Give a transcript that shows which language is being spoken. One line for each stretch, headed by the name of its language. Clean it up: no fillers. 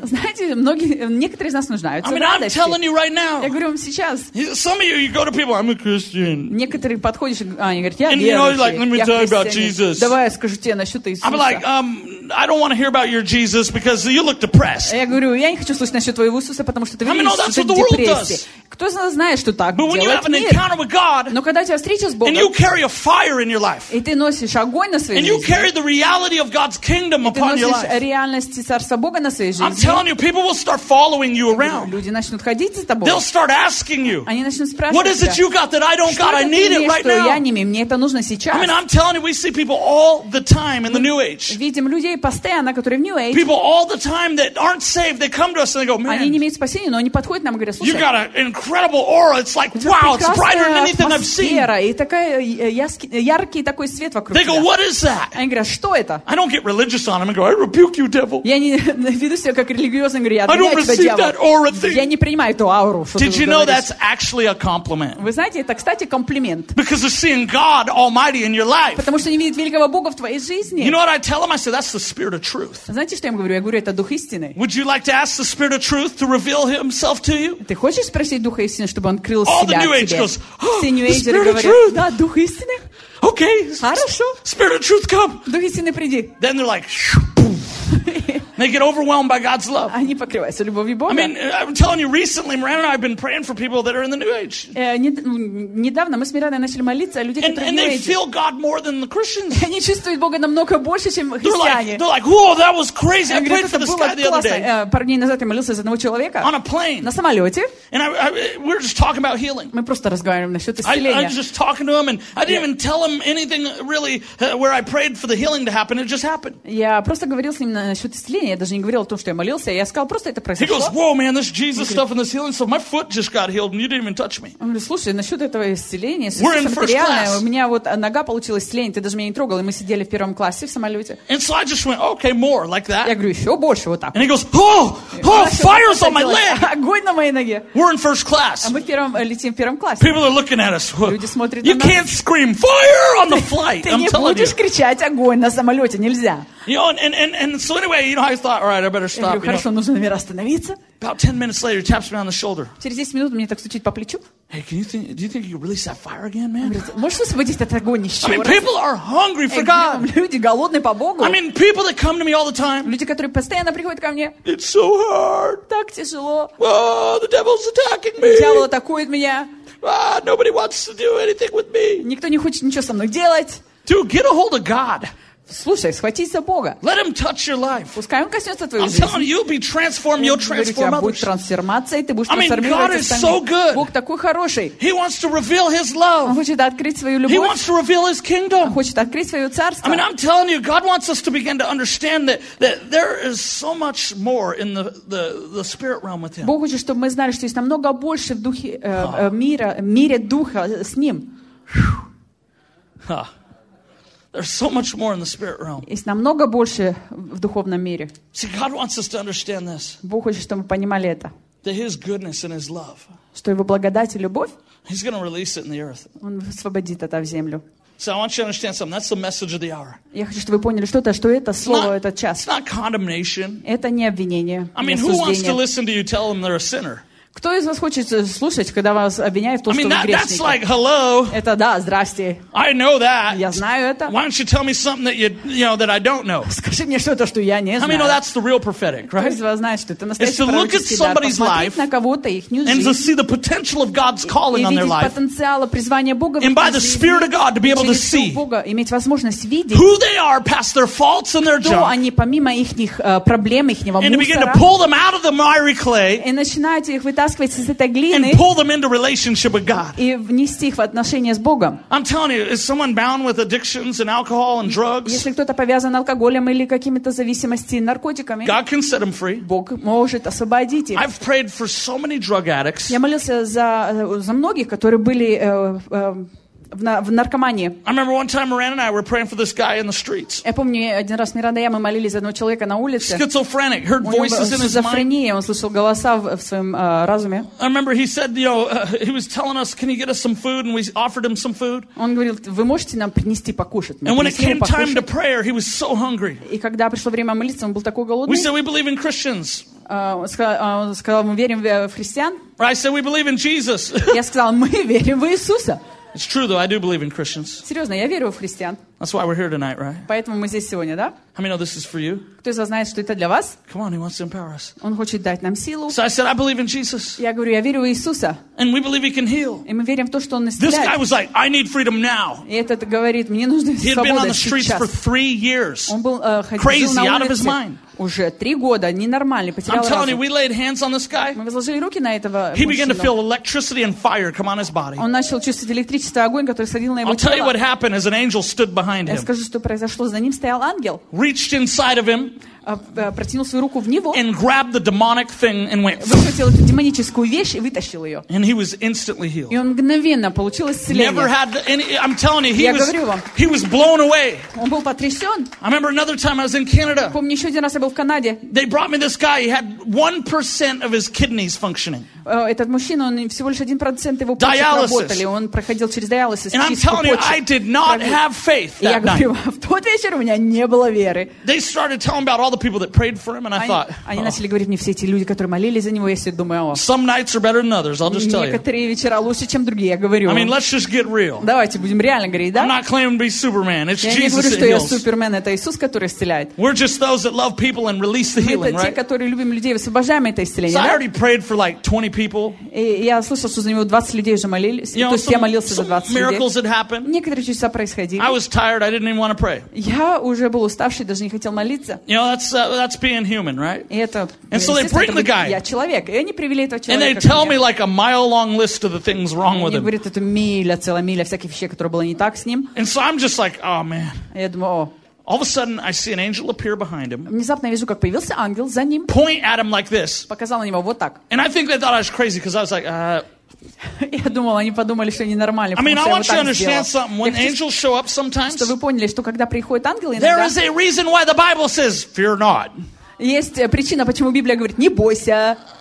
Russian: Знаете, некоторые из нас нуждаются в радости.
English: I'm telling you right now.
Russian: Я говорю вам сейчас.
English: Some of you, you go to people, I'm a Christian.
Russian: Некоторые подходишь, они говорят, я верующий.
English: And you know, like, let me tell you about Jesus.
Russian: Давай я скажу тебе насчет Иисуса.
English: I'm like, I don't want to hear about your Jesus because you look depressed.
Russian: Я говорю, я не хочу слышать насчет твоего Иисуса, потому что ты выглядишь в депрессии. Кто знает, что так?
English: But when you have an encounter with God,
Russian: но когда у тебя встреча с Богом,
English: and you carry a fire in your life,
Russian: и ты носишь огонь на своей жизни,
English: and you carry the reality of God's kingdom upon your life,
Russian: и ты носишь реальность царства Бога на своей жизни,
English: I'm telling you, people will start following you around.
Russian: Люди начнут ходить за тобой.
English: They'll start asking you.
Russian: Они начнут спрашивать.
English: What is it you got that I don't got? I need it right now.
Russian: Что я не имею, мне это нужно сейчас.
English: I mean, I'm telling you, we see people all the time in the New Age.
Russian: Видим людей людей постоянно, которые в New Age.
English: People all the time that aren't saved, they come to us and they go, man.
Russian: Они не имеют спасения, но они подходят нам и говорят, слушай.
English: You got an incredible aura. It's like, wow, it's brighter than anything I've seen.
Russian: И такая яркий такой свет вокруг.
English: They go, what is that?
Russian: Они говорят, что это?
English: I don't get religious on them and go, I rebuke you, devil.
Russian: Я не веду себя как религиозный, говорю, я отгоняю тебя, дьявол.
English: I don't receive that aura thing.
Russian: Я не принимаю эту ауру.
English: Did you know that's actually a compliment?
Russian: Вы знаете, это, кстати, комплимент.
English: Because they're seeing God Almighty in your life.
Russian: Потому что они видят великого Бога в твоей жизни.
English: You know what I tell them? I say, that's the spirit of truth.
Russian: Знаете, что я им говорю? Я говорю, это дух истины.
English: Would you like to ask the spirit of truth to reveal himself to you?
Russian: Ты хочешь спросить духа истины, чтобы он открыл себя тебе?
English: All the New Age goes, the spirit of truth.
Russian: Да, дух истины.
English: Okay.
Russian: Хорошо.
English: Spirit of truth, come.
Russian: Дух истины, приди.
English: Then they're like, boom. They get overwhelmed by God's love.
Russian: Они покрываются любовью Бога.
English: I mean, I'm telling you, recently, Miranda and I have been praying for people that are in the New Age.
Russian: Недавно мы с Мирандой начали молиться о людях, которые в New Age.
English: And they feel God more than the Christians.
Russian: Они чувствуют Бога намного больше, чем христиане.
English: They're like, whoa, that was crazy. I prayed for this guy the other day.
Russian: Пару дней назад я молился за одного человека.
English: On a plane.
Russian: На самолете.
English: And we're just talking about healing.
Russian: Мы просто разговариваем насчет исцеления.
English: I was just talking to him, and I didn't even tell him anything really where I prayed for the healing to happen. It just happened.
Russian: Я просто говорил с ним насчет исцеления. Я даже не говорил о том, что я молился, я сказал, просто это произошло.
English: He goes, whoa, man, this Jesus stuff and this healing stuff. My foot just got healed, and you didn't even touch me.
Russian: Он говорит, слушай, насчет этого исцеления,
English: we're in first class.
Russian: У меня вот нога получила исцеление, ты даже меня не трогал, и мы сидели в первом классе в самолете.
English: And so I just went, okay, more like that.
Russian: Я говорю, еще больше вот так.
English: And he goes, oh, fire's on my leg.
Russian: Огонь на моей ноге.
English: We're in first class.
Russian: А мы первым летим в первом классе.
English: People are looking at us.
Russian: Люди смотрят на нас.
English: You can't scream fire on the flight. I'm telling you.
Russian: Ты не будешь кричать огонь на самолете, нельзя.
English: You know, and so anyway, you know, I thought, all right, I better stop.
Russian: Хорошо, нужно на миру остановиться.
English: About 10 minutes later, he taps me on the shoulder.
Russian: Через 10 минут мне так стучит по плечу.
English: Hey, do you think you can release that fire again, man?
Russian: Можешь освободить этот огонь еще раз?
English: I mean, people are hungry for God.
Russian: Люди голодны по Богу.
English: I mean, people that come to me all the time.
Russian: Люди, которые постоянно приходят ко мне.
English: It's so hard.
Russian: Так тяжело.
English: Oh, the devil's attacking me.
Russian: Дьявол атакует меня.
English: Ah, nobody wants to do anything with me.
Russian: Никто не хочет ничего со мной делать.
English: Dude, get a hold of God.
Russian: Слушай, схватись за Бога.
English: Let him touch your life.
Russian: Пускай он коснется твоей жизни.
English: I'm telling you, be transformed, you'll transform others.
Russian: Будь трансформацией, ты будешь трансформировать.
English: I mean, God is so good.
Russian: Бог такой хороший.
English: He wants to reveal his love.
Russian: Он хочет открыть свою любовь.
English: He wants to reveal his kingdom.
Russian: Он хочет открыть свое царство.
English: I mean, I'm telling you, God wants us to begin to understand that there is so much more in the spirit realm with him.
Russian: Бог хочет, чтобы мы знали, что есть намного больше в духе мира, мире духа с ним.
English: There's so much more in the spirit realm.
Russian: Есть намного больше в духовном мире.
English: See, God wants us to understand this.
Russian: Бог хочет, чтобы мы понимали это.
English: That His goodness and His love.
Russian: Что Его благодать и любовь.
English: He's going to release it in the earth.
Russian: Он освободит это в землю.
English: So I want you to understand something. That's the message of the hour.
Russian: Я хочу, чтобы вы поняли что-то, что это слово, этот час.
English: It's not condemnation.
Russian: Это не обвинение.
English: I mean, who wants to listen to you tell them they're a sinner?
Russian: Кто из вас хочет слушать, когда вас обвиняют в том, что вы грешник?
English: That's like, hello.
Russian: Это да, здрасте.
English: I know that.
Russian: Я знаю это.
English: Why don't you tell me something that you know that I don't know?
Russian: Скажи мне что-то, что я не знаю.
English: I mean, no, that's the real prophetic, right?
Russian: Кто из вас знает, что это настоящий пророческий дар?
English: It's to look at somebody's life
Russian: на кого-то, ихнюю жизнь,
English: and to see the potential of God's calling on their life.
Russian: И видеть потенциал призвания Бога в их жизни.
English: And by the Spirit of God to be able to see.
Russian: Бога иметь возможность видеть.
English: Who they are past their faults and their junk.
Russian: Кто они помимо ихних проблем, ихнего мусора.
English: And begin to pull them out of the miry clay.
Russian: И начинайте их вытаскивать из этой глины
English: and pull them into relationship with God.
Russian: И внести их в отношения с Богом.
English: I'm telling you, is someone bound with addictions and alcohol and drugs?
Russian: Если кто-то повязан алкоголем или какими-то зависимостями, наркотиками,
English: God can set them free.
Russian: Бог может освободить их.
English: I've prayed for so many drug addicts.
Russian: Я молился за многих, которые были в наркомании.
English: I remember one time Miranda and I were praying for this guy in the streets.
Russian: Я помню, один раз Миранда и я, мы молились за одного человека на улице.
English: Schizophrenic, heard voices in his mind.
Russian: Он слышал голоса в своем разуме.
English: I remember he said, you know, he was telling us, can you get us some food? And we offered him some food.
Russian: Он говорил, вы можете нам принести покушать?
English: And when it came time to prayer, he was so hungry.
Russian: И когда пришло время молиться, он был такой голодный.
English: We said, we believe in Christians.
Russian: Он сказал, мы верим в христиан.
English: I said, we believe in Jesus.
Russian: Я сказал, мы верим в Иисуса.
English: It's true, though. I do believe in Christians.
Russian: Серьезно, я верю в христиан.
English: That's why we're here tonight, right?
Russian: Поэтому мы здесь сегодня, да?
English: How many know this is for you?
Russian: Кто из вас знает, что это для вас?
English: Come on, he wants to empower us.
Russian: Он хочет дать нам силу.
English: So I said, I believe in Jesus.
Russian: Я говорю, я верю в Иисуса.
English: And we believe he can heal.
Russian: И мы верим в то, что он исцеляет.
English: This guy was like, I need freedom now.
Russian: И этот говорит, мне нужно свободу сейчас.
English: He had been on the streets for 3 years.
Russian: Он был
English: crazy,
Russian: ходил на улице.
English: Out of his mind.
Russian: Уже три года ненормальный, потерял разум.
English: I'm telling you, we laid hands on this guy.
Russian: Мы возложили руки на этого мужчину.
English: He began to feel electricity and fire come on his body.
Russian: Он начал чувствовать электричество и огонь, который сходил на его тело.
English: I'll tell you what happened as an angel stood behind him.
Russian: Я скажу, что произошло. За ним стоял ангел.
English: Reached inside of him.
Russian: Протянул свою руку в него.
English: And grabbed the demonic thing and went.
Russian: Выхватил эту демоническую вещь и вытащил ее.
English: And he was instantly healed.
Russian: И он мгновенно получил исцеление.
English: Never had any, I'm telling you, he was blown away.
Russian: Он был потрясен.
English: I remember another time I was in Canada.
Russian: Помню, еще один раз я был в Канаде.
English: They brought me this guy. He had 1% of his kidneys functioning.
Russian: Этот мужчина, он всего лишь 1% его почек работали. Он проходил через диализ.
English: And I'm telling you, I did not have faith that night.
Russian: Я говорю вам, в тот вечер у меня не было веры.
English: They started telling about all the people that prayed for him, and I thought.
Russian: Они начали говорить мне все эти люди, которые молились за него. Я себе думаю,
English: some nights are better than others. I'll just tell you.
Russian: Некоторые вечера лучше, чем другие. Я говорю.
English: I mean, let's just get real.
Russian: Давайте будем реально говорить, да?
English: I'm not claiming to be Superman. It's Jesus.
Russian: Я не говорю, что я Супермен. Это Иисус, который исцеляет.
English: We're just those that love people and release the healing, right?
Russian: Мы те, которые любим людей и высвобождаем это исцеление.
English: So I already prayed for like 20 people.
Russian: Я слышал, что за него 20 людей уже молились. То есть я молился за 20 людей.
English: Miracles had happened.
Russian: Некоторые чудеса происходили.
English: I was tired. I didn't even want to pray.
Russian: Я уже был уставший, даже не хотел молиться.
English: That's being human, right?
Russian: Это,
English: and so they bring the guy.
Russian: Я человек, и они привели этого человека.
English: And they tell me like a mile-long list of the things wrong with him.
Russian: Они говорят, это миля, целая миля всяких вещей, которые было не так с ним.
English: And so I'm just like, oh man.
Russian: Я думаю, о.
English: All of a sudden, I see an angel appear behind him.
Russian: Внезапно я вижу, как появился ангел за ним.
English: Point at him like this.
Russian: Показал на него вот так.
English: And I think they thought I was crazy because I was like,
Russian: Я думал, они подумали, что они нормальные.
English: I mean, I want you to understand something. When angels show up sometimes,
Russian: что вы поняли, что когда приходят ангелы,
English: there is a reason why the Bible says, "Fear not."
Russian: Есть причина, почему Библия говорит, не бойся.